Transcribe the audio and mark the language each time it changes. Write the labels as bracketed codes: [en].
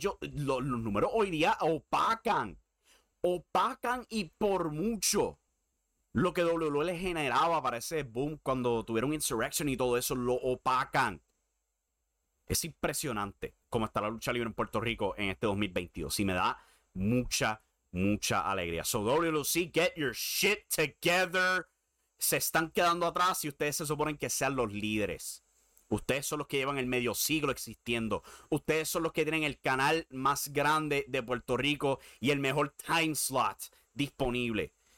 [es] Los números hoy día opacan. Opacan y por mucho lo que WL generaba para ese boom cuando tuvieron Insurrection y todo eso, lo opacan. Es impresionante cómo está la lucha libre en Puerto Rico en este 2022. Y me da mucha, mucha alegría. [en] So WLC, get your shit together. [es] Se están quedando atrás y ustedes se suponen que sean los líderes. Ustedes son los que llevan el medio siglo existiendo. Ustedes son los que tienen el canal más grande de Puerto Rico y el mejor time slot disponible.